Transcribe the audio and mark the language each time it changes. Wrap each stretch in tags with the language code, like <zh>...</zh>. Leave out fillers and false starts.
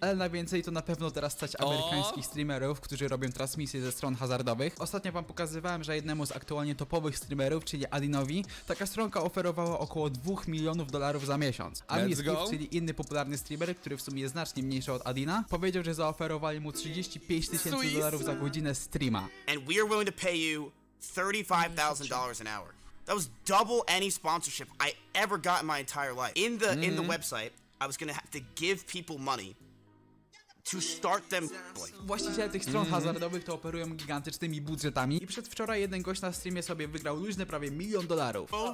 <pl>Ale na więcej to na pewno teraz stać amerykańskich streamerów, którzy robią transmisje ze stron hazardowych. Ostatnio wam pokazywałem, że jednemu z aktualnie topowych streamerów, czyli Adinowi, taka stronka oferowała około 2 milionów dolarów za miesiąc. AdinSkiff, czyli inny popularny streamer, który w sumie jest znacznie mniejszy od Adina, powiedział, że zaoferowali mu 35 tysięcy dolarów za godzinę streama.</pl> <en>And we are willing to pay you $35,000 an hour. That was double any sponsorship I ever got in my entire life. In the website, I was gonna have to give people money to start them.</en> <pl>Właściciele tych stron hazardowych to operują gigantycznymi budżetami i przedwczoraj jeden gość na streamie sobie wygrał luźne prawie milion dolarów.</pl>